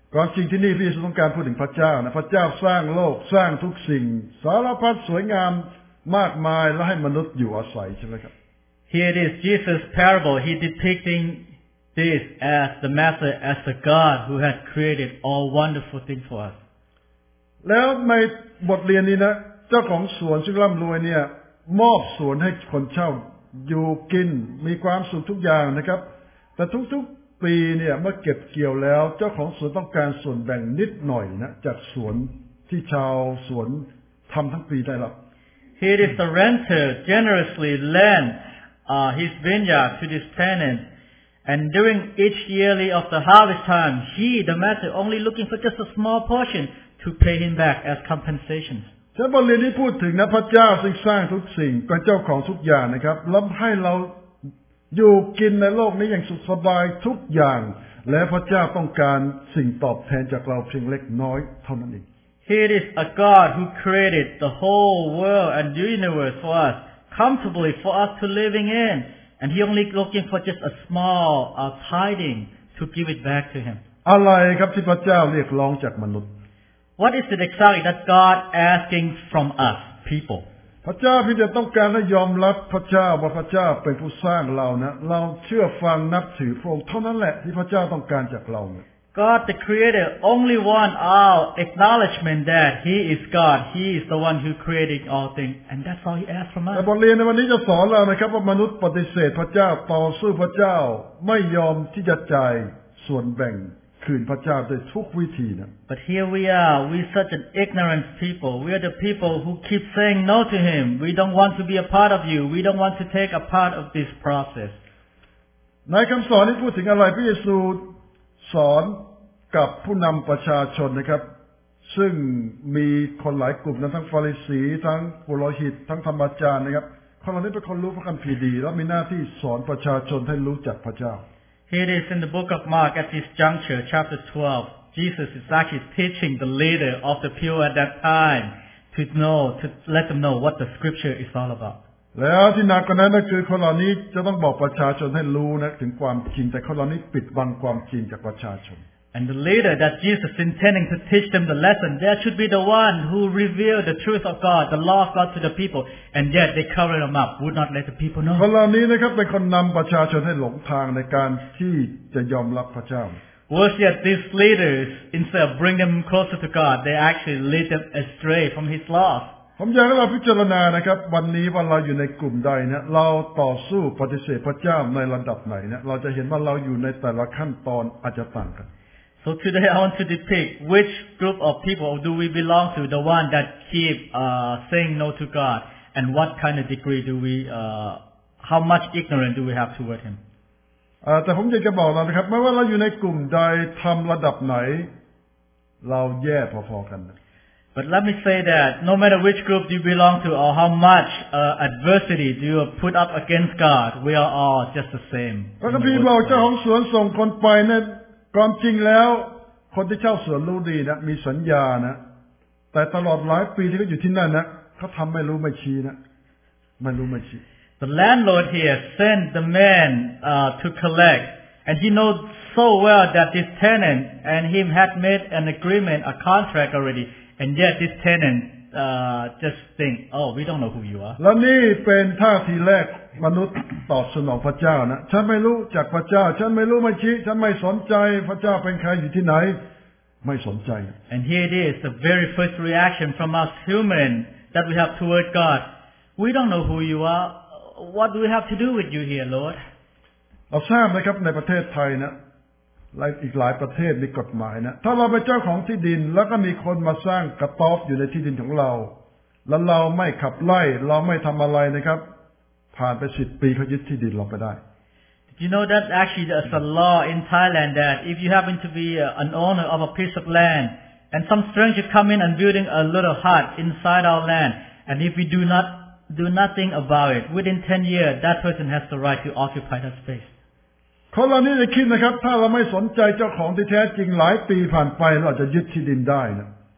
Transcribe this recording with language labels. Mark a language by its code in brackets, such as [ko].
[th] ก่อนจริงที่นี่พระเยซูต้องการพูดถึงพระเจ้านะพระเจ้าสร้างโลกสร้างทุกสิ่งสารพัดสวยงามมากมายและให้มนุษย์อยู่อาศัยใช่ไหมครับ [en] Here it is, Jesus' parable, he's depicting this as the Master, as the God who has created all wonderful things for us. [th] แล้วในบทเรียนนี้นะเจ้าของสวนซึ่งร่ำรวยเนี่ยมอบสวนให้คนเช่าอยู่กินมีความสุขทุกอย่างนะครับแต่ทุกๆปีเนี่ยเมื่อเก็บเกี่ยวแล้วเจ้าของสวนต้องการส่วนแบ่งนิดหน่อยนะจากสวนที่ชาวสวนทำทั้งปีได้หรอก [en] Here it is, the renter generously lendhis vineyard to this tenant and during each yearly of the harvest time he the master only looking for just a small portion to pay him back as compensation [th] ฉันบอลเรนนี่พูดถึงนะพระเจ้าซึ่งสร้างทุกสิ่งเป็นเจ้าของทุกอย่างนะครับแล้วให้เราอยู่กินในโลกนี้อย่างสุขสบายทุกอย่างและพระเจ้าต้องการสิ่งตอบแทนจากเราเพียงเล็กน้อยเท่านั้นเอง [en] here is a god who created the whole world and universe for usComfortably for us to living in, and he only looking for just a small tithing to give it back to him. [th] อะไรครับที่พระเจ้าเรียกร้องจากมนุษย์ [en] What is it exactly that God asking from us, people? [th] พระเจ้าเพียงแต่ต้องการให้ยอมรับพระเจ้าว่าพระเจ้าเป็นผู้สร้างเรานะเราเชื่อฟังนับถือพระองค์เท่านั้นแหละที่พระเจ้าต้องการจากเรา [en] God the Creator only want our acknowledgement that He is God. He is the one who created all things, and that's all He asks from us. [th] แต่บทเรียนในวันนี้จะสอนเรานะครับว่ามนุษย์ปฏิเสธพระเจ้าต่อสู้พระเจ้าไม่ยอมที่จะจ่ายส่วนแบ่งคืนพระเจ้าโดยทุกวิธีนะ [en] But here we are. We such an ignorant people. We are the people who keep saying no to Him. We don't want to be a part of you. We don't want to take a part of this process. [th] ในคำสอนที่พูดถึงอะไรพระเยซูสอนกับผู้นำประชาชนนะครับซึ่งมีคนหลายกลุ่มนะทั้งฟาริสีทั้งปุโรหิตทั้งธรรมอาจารย์นะครับคนเหล่านี้เป็นคนรู้พระคัมภีร์ดีและมีหน้าที่สอนประชาชนให้รู้จักพระเจ้า [en] Here it is in the book of Mark at this juncture chapter 12 Jesus is actually teaching the leader of the people at that time to know to let them know what the scripture is all about [th] แล้วที่หนักกว่านั้นก็คือคนเหล่านี้จะต้องบอกประชาชนให้รู้นะถึงความจริงแต่คนเหล่านี้ปิดบังความจริงจากประชาชน [en] And the leader that Jesus is intending to teach them the lesson they should be the one who revealed the truth of God the law of God to the people and yet they covered them up would not let the people know [th] คนเหล่านี้นะครับเป็นคนนำประชาชนให้หลงทางในการที่จะยอมรับพระเจ้า [en] Worse yet these leaders instead of bring them closer to God they actually lead them astray from his law [th] ผมอยากให้เราพิจารณานะครับวันนี้ว่าเราอยู่ในกลุ่มใดเนี่ยเราต่อสู้ปฏิเสธพระเจ้าในระดับไหนเนี่ยเราจะเห็นว่าเราอยู่ในแต่ละขั้นตอนอาจจะต่างกัน [en] So today I want to depict which group of people do we belong to the one that keep saying no to God and what kind of degree do we how much ignorance do we have toward him [th] แต่ผมอยากจะบอกนะครับไม่ว่าเราอยู่ในกลุ่มใดทำระดับไหนเราแย่พอๆกัน [en] But let me say that no matter which group you belong to or how much adversity do you put up against God, we are all just the same. [th] พระคัมภีร์บอกเจ้าของสวนส่งคนไปนะความจริงแล้วคนที่เจ้าสวนรู้ดีนะมีสัญญานะแต่ตลอดหลายปีที่เขาอยู่ที่นั่นนะเขาทำไม่รู้ไม่ชี้นะไม่รู้ไม่ชี้ [en] The landlord here sent the man to collect, and he knows so well that this tenant and him had made an agreement, a contract already. And yet this tenant just think, oh, we don't know who you are. [th] และนี่เป็นท่าทีแรกมนุษย์ตอบสนองพระเจ้านะฉันไม่รู้จักพระเจ้าฉันไม่รู้ไม่ชี้ฉันไม่สนใจพระเจ้าเป็นใครอยู่ที่ไหนไม่สนใจ [en] And here it is, the very first reaction from us human that we have toward God. We don't know who you are. What do we have to do with you here, Lord? [th] เราทราบนะครับในประเทศไทยนะและอีกหลายประเทศมีกฎหมายนะถ้าเราเป็นเจ้าของที่ดินแล้วก็มีคนมาสร้างกระต๊อบอยู่ในที่ดินของเราแล้วเราไม่ขับไล่เราไม่ทำอะไรนะครับผ่านไป10ปีเขายึดที่ดินเราไปได้ [en] Did you know that actually there's a law in Thailand that if you happen to be an owner of a piece of land and some stranger come in and building a little hut inside our land and if we do nothing about it within 10 years that person has the right to occupy that space [th] คนเหล่านี้จะคิดนะครับถ้าเราไม่สนใจเจ้าของที่แท้จริงหลายปีผ่านไปเราจะยึดที่ดินได้นะ